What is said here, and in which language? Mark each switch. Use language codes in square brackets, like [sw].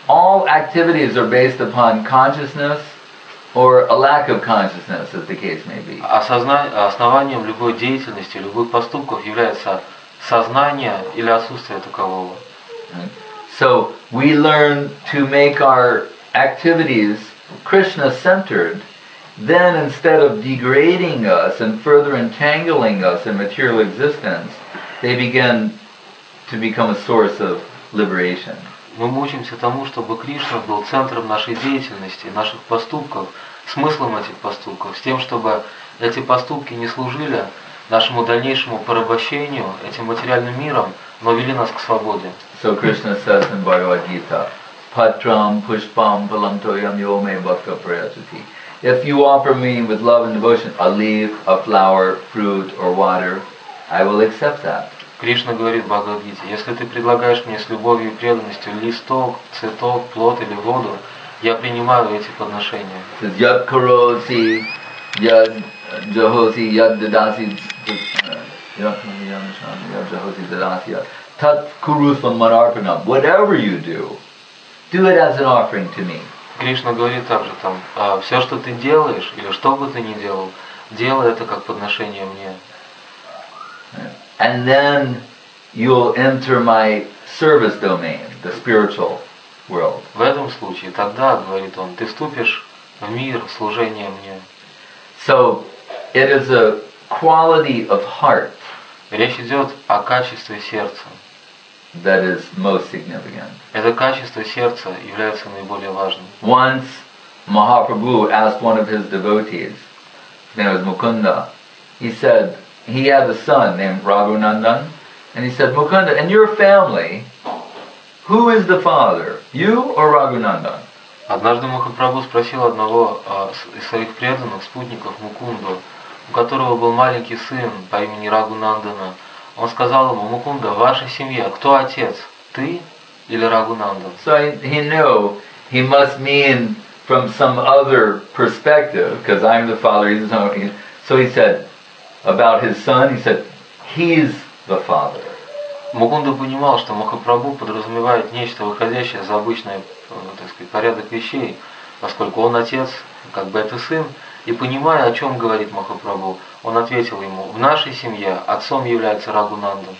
[en] All activities are based upon consciousness. Or a lack of consciousness, as the case may be. [ru] Основанием любой деятельности, любых поступков является сознание или отсутствие такового. [en] So we learn to make our activities Krishna-centered. Then, instead of degrading us and further entangling us in material existence, they begin to become a source of liberation. [ru] Мы учимся тому, чтобы Кришна был центром нашей деятельности, наших поступков. Смыслом этих поступков, с тем, чтобы эти поступки не служили нашему дальнейшему порабощению этим материальным миром, но вели нас к свободе. [en] So Krishna says in Bhagavad Gita, [sa] Patram Pushpam Palantoyam Yome Bhakta Prayasati. [en] If you offer me with love and devotion a leaf, a flower, fruit or water, I will accept that. [ru] Кришна говорит в Бхагавад Гите, если ты предлагаешь мне с любовью и преданностью листок, цветок, плод или воду, я принимаю эти подношения. [sa] Яд кароси, яд джахоси, яд дедаси, яд джахоси дедаси, тат курусам манарпанам. [en] Whatever you do, do it as an offering to me. [ru] Кришна говорит также там, все, что ты делаешь, или что бы ты ни делал, делай это как подношение мне. [en] And then you'll enter my service domain, the spiritual. [ru] В этом случае, тогда, говорит он, ты вступишь мир, служение мне. [en] So it is a quality of heart. [ru] Речь идет о качестве сердца. [en] That is most significant. [ru] Это качество сердца является наиболее важным. [en] Once Mahaprabhu asked one of his devotees, his name was Mukunda. He said he had a son named Raghunandan, and he said, Mukunda, in your family, who is the father, you or Raghunandan? [ru] Однажды Махапрабху спросил одного из своих преданных спутников Мукунду, у которого был маленький сын по имени Рагунандана. Он сказал ему: Мукунда, в вашей семье кто отец, ты или Рагунандан? [en] So he knew he must mean from some other perspective, because I'm the father, he's the son. So he said about his son, he said, he's the father. [ru] Мукунда понимал, что Махапрабху подразумевает нечто выходящее за обычный, так сказать, порядок вещей, поскольку он отец, как бы это сын. И понимая, о чем говорит Махапрабху, он ответил ему: в нашей семье отцом является Рагунанда.